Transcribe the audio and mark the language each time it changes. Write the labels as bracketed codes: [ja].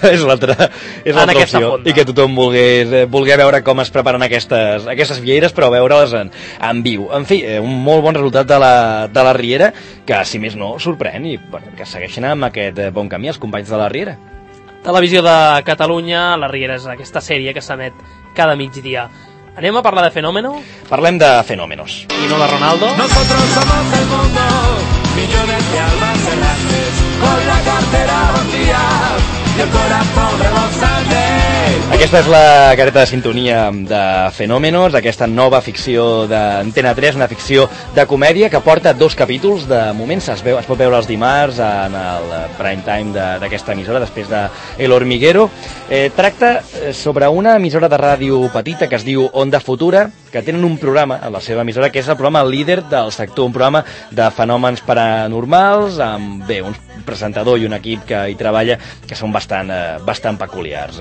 [ca] És l'altra, és l'altra opció. I que tothom volgués, volgués veure com es preparen aquestes, aquestes vieires, però veure-les en viu. En fi, un molt bon resultat de la Riera, que si més no sorprèn, i bueno, que segueixin amb aquest bon camí els companys de la Riera. Televisió de Catalunya, la Riera és aquesta sèrie que s'emet cada migdia. Anem a parlar de Fenómeno? Parlem de Fenómenos. I no de Ronaldo? [es] Nosotros somos el mundo, millones de almas errantes, con la cartera vacía y el corazón rebosante. [ca] Aquesta és la careta de sintonia de Fenómenos, aquesta nova ficció d'Antena 3, una ficció de comèdia que porta dos capítols. De moment es veu, es pot veure els dimarts en el prime time d'aquesta emissora, després de El Hormiguero. Tracta sobre una emissora de ràdio petita que es diu Onda Futura, que tenen un programa a la seva emissora, que és el programa líder del sector, un programa de fenòmens paranormals, amb bé, un presentador i un equip que hi treballa que són bastant, bastant peculiars.